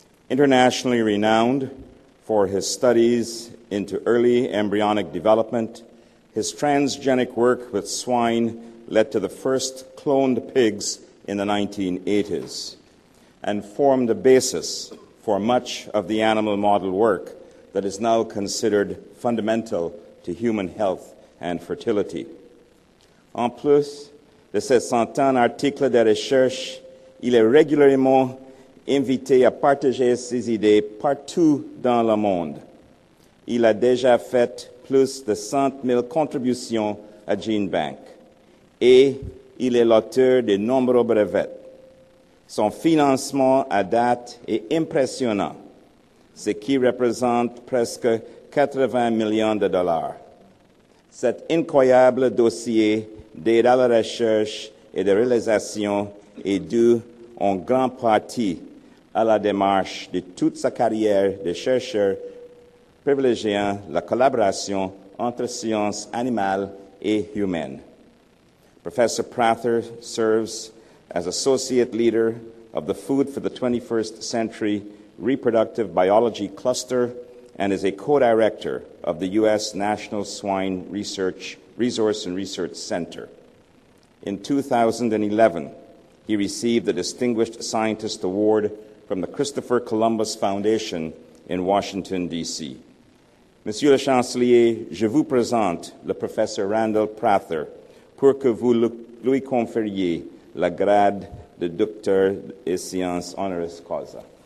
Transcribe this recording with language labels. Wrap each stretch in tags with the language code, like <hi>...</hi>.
<en>Internationally renowned for his studies into early embryonic development, his transgenic work with swine led to the first cloned pigs in the 1980s and formed the basis for much of the animal model work that is now considered fundamental to human health and fertility.</en> <fr>En plus de ses 100 articles de recherche, il est régulièrement invité à partager ses idées partout dans le monde. Il a déjà fait plus de 100 000 contributions à GeneBank et il est l'auteur de nombreux brevets. Son financement à date est impressionnant, ce qui représente presque 80 millions de dollars. Cet incroyable dossier d'aide à la recherche et de réalisation est dû en grande partie à la démarche de toute sa carrière de chercheur privilégiant la collaboration entre sciences animales et humaines.</fr> <en>Professor Prather serves as associate leader of the Food for the 21st Century Reproductive Biology Cluster and is a co-director of the U.S. National Swine Research Resource and Research Center. In 2011, he received the Distinguished Scientist Award from the Christopher Columbus Foundation in Washington, D.C.</en> <fr>Monsieur le Chancelier, je vous présente le professeur Randall Prather pour que vous lui conferiez le grade de docteur en sciences honoris causa.</fr>